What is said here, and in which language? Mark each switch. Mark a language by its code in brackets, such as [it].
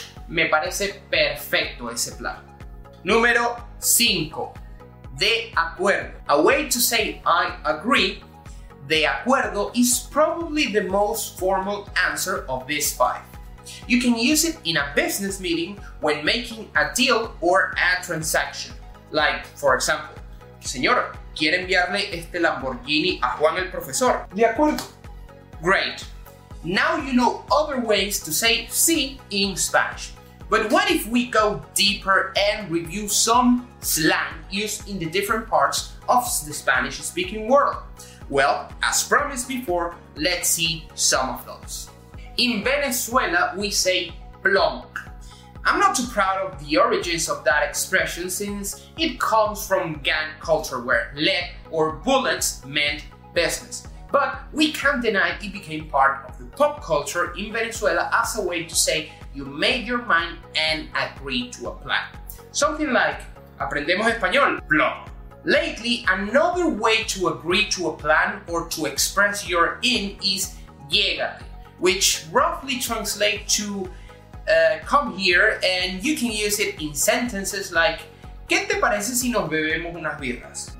[es] Me parece perfecto ese plan. Número 5. De acuerdo. [en] A way to say I agree, de acuerdo is probably the most formal answer of these 5. You can use it in a business meeting when making a deal or a transaction. Like, for example, [es] señor, ¿quiere enviarle este Lamborghini a Juan el profesor? De acuerdo. [en] Great. Now you know other ways to say sí in Spanish. But what if we go deeper and review some slang used in the different parts of the Spanish-speaking world? Well, as promised before, let's see some of those. In Venezuela, we say plonk. I'm not too proud of the origins of that expression since it comes from gang culture where lead or bullets meant business. But we can't deny it became part of the pop culture in Venezuela as a way to say you made your mind and agreed to a plan. Something like, [es] aprendemos español, [en] plonk. Lately, another way to agree to a plan or to express your in is llégate, which roughly translates to come here, and you can use it in sentences like, [es] ¿Qué te parece si nos bebemos unas birras?